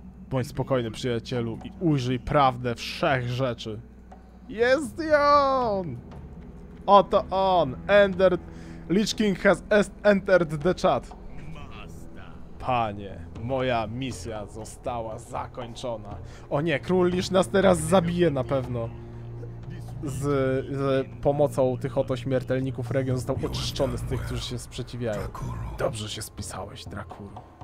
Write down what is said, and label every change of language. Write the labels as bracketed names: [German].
[Polish] Bądź spokojny, przyjacielu, i ujrzyj prawdę wszech rzeczy. Jest on! Oto on! Ender... [English] Lich King has entered the chat. [Polish] Panie, moja misja została zakończona. O nie, król Lich nas teraz zabije na pewno. Z pomocą tych oto śmiertelników region został oczyszczony z tych, którzy się sprzeciwiają. Dobrze się spisałeś, Drakuru.